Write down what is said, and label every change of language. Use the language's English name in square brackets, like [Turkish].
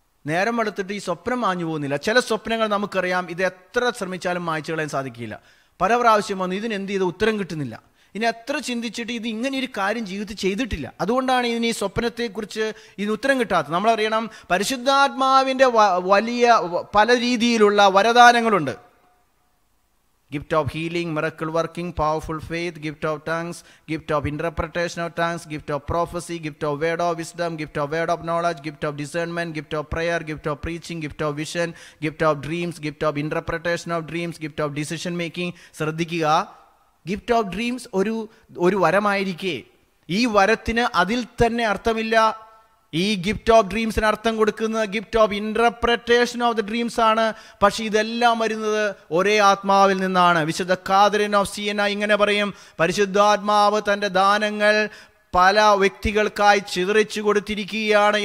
[Malayalam] നേരം വെളുത്തിട്ട് ഈ സ്വപ്നം മാഞ്ഞു പോകുന്നില്ല. ചില സ്വപ്നങ്ങൾ നമുക്കറിയാം, ഇത് എത്ര ശ്രമിച്ചാലും മായ്ച്ചു കളയാൻ സാധിക്കില്ല. പല പ്രാവശ്യം വന്നു ഇതിന് എന്ത് ചെയ്ത് ഉത്തരം കിട്ടുന്നില്ല. ഇനി എത്ര ചിന്തിച്ചിട്ട് ഇത് ഇങ്ങനെ ഒരു കാര്യം ജീവിതത്തിൽ ചെയ്തിട്ടില്ല. അതുകൊണ്ടാണ് ഇനി ഈ സ്വപ്നത്തെക്കുറിച്ച് ഇതിന് ഉത്തരം കിട്ടാത്തത്. നമ്മളറിയണം, പരിശുദ്ധാത്മാവിൻ്റെ വലിയ പല രീതിയിലുള്ള വരദാനങ്ങളുണ്ട്. [English] Gift of healing, miracle working, powerful faith, gift of tongues, gift of interpretation of tongues, gift of prophecy, gift of word of wisdom, gift of word of knowledge, gift of discernment, gift of prayer, gift of preaching, gift of vision, gift of dreams, gift of interpretation of dreams, gift of decision making. [Malayalam] ശ്രദ്ധിക്കുക, gift of dreams ഒരു വരമായിരിക്കേ, ഈ വരത്തിന് അതിൽ തന്നെ അർത്ഥമില്ല. ഈ gift of ഡ്രീംസിന് അർത്ഥം കൊടുക്കുന്നത് gift of ഇന്റർപ്രറ്റേഷൻ of the dreams ആണ്. പക്ഷേ ഇതെല്ലാം വരുന്നത് ഒരേ ആത്മാവിൽ നിന്നാണ്. വിശുദ്ധ കാതറിൻ ഓഫ് സിയന ഇങ്ങനെ പറയും, പരിശുദ്ധാത്മാവ് തൻ്റെ ദാനങ്ങൾ പല വ്യക്തികൾക്കായി ചിതറിച്ചു കൊടുത്തിരിക്കുകയാണ്.